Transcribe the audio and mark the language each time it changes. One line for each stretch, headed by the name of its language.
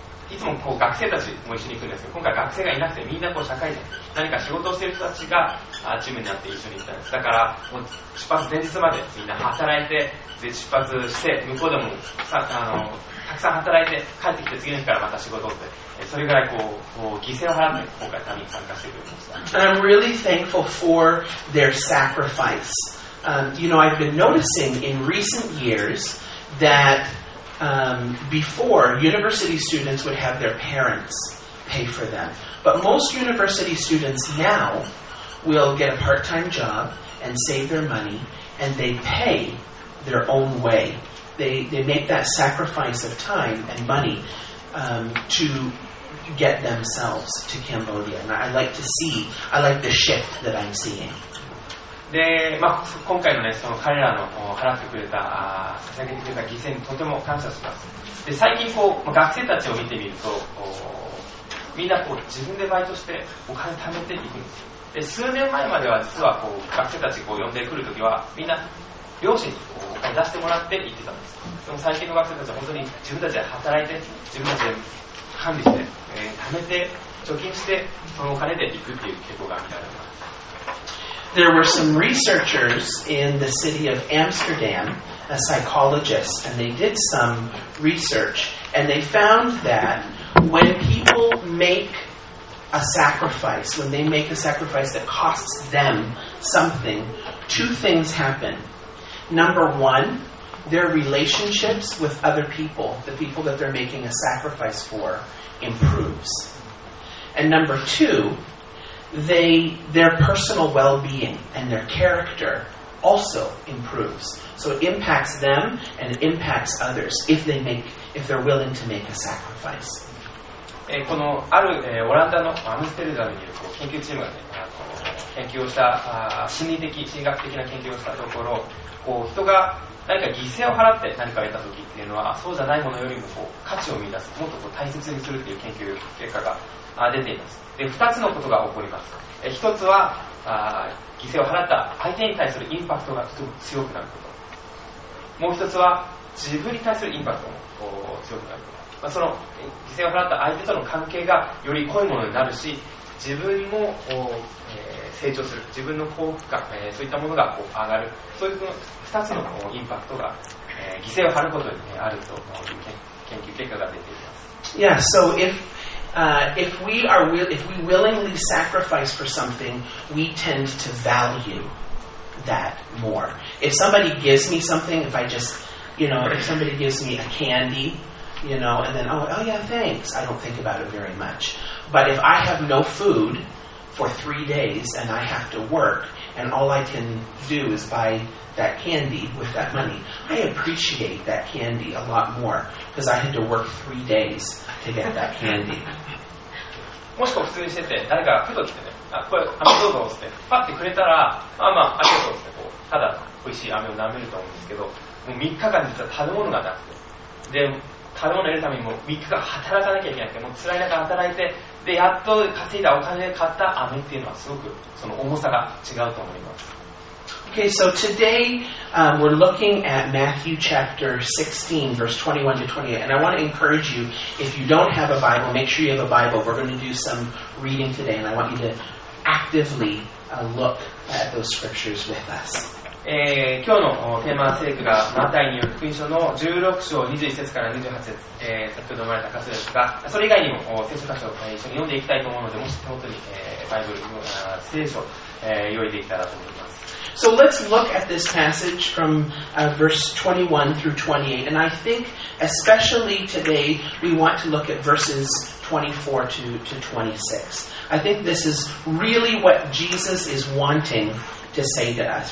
Japanese: いつもこう学生たちも一緒に行くんですけど今回学生がいなくてみんなこう社会人何か仕事をしている人たちがチームになって一緒に行ったんですだからもう出発前日までみんな働いて出発して向こうでもさたくさん働いて帰ってきて次の日からまた仕事ってそれぐらいこう犠牲を払って今回旅に参加してくれました
English: And I'm really thankful for their sacrifice、you know I've been noticing in recent years that、before university students would have their parents pay for them but most university students now will get a part-time job and save their money and they pay their own wayThey make that sacrifice of time and money、to get themselves to Cambodia. And I like the shift that I'm seeing.
Japanese: で、まあ、今回のね、その彼らの払ってくれた、捧げてくれた犠牲にとても感謝します。で、最近こう、学生たちを見てみると、みんなこう自分でバイトしてお金貯めていくんです。で、数年前までは実はこう学生たちを呼んでくるときは、みんな両親に出してもらって行ってたんです。でも最近の学生たちは本当に自分たちで働いて、自分たちで管理して、貯めて、貯金して、そのお金で行くっていう傾向が見られます。
English: There were some researchers in the city of Amsterdam, a psychologist, and they did some research, and they found that when people make a sacrifice, when they make a sacrifice that costs them something, two things happen. Number one, their relationships with other people, the people that they're making a sacrifice for, improves. And number two, their personal well-being and their character also improves. So it impacts them and it impacts others if they make, if they're willing to make a sacrifice.
Japanese: このある、オランダのアムステルダムにいるこう研究チームが、ね、研究をした心理的、心理学的な研究をしたところこう人が何か犠牲を払って何かを得た時っていうのはそうじゃないものよりもこう価値を見出すもっとこう大切にするという研究結果が出ています。で2つのことが起こります。1つは犠牲を払った相手に対するインパクトがとても強くなること、もう1つは自分に対するインパクトもこう強くなること、まあ、その犠牲を払った相手との関係がより濃いものになるし、自分も成長する、自分の幸福感、そういったものがこう上がる、そういうの2つのインパクトが犠牲を払うことにあるという研究結果が出ています。
English: Yeah, so if we willingly sacrifice for something, we tend to value that more. If somebody gives me something, if I just, you know, if somebody gives me a candyyou know, and then, oh yeah, thanks. I don't think about it very much. But if I have no food for 3 days and I have to work and all I can do is buy that candy with that money, I appreciate that candy a lot more because I had to work 3 days to get that candy.
Japanese: もしくは普通にしてて、誰かがふと来てね、あ、これ、飴どうぞって、パッてくれたら、まあまあ、ありがとうって、こう、ただ美味しい飴を舐めると思うんですけど、もう3日間実は食べ物がなくて。で食べ物を得るためにも3日間働かなきゃいけなくて、もう辛い中働いて、でやっと稼いだお金で買った飴っていうのはすごくその重さが違うと思います。
English: Okay, so today, we're looking at Matthew chapter 16, verse 21 to 28. And I want to encourage you, if you don't have a Bible, make sure you have a Bible. We're going to do some reading today, and I want you to actively, look at those scriptures with us.
Japanese: 今日のテーマ聖句がマタイによる福音書の16章21節から28節、先ほど読まれた箇所ですが、それ以外にも聖書箇所を一緒に読んでいきたいと思うので、もし手元に、バイブル、聖書、用意できたらと思います。
English: So let's look at this passage from、verse 21 through 28, and I think especially today we want to look at verses 24 to 26. I think this is really what Jesus is wantingto say to us.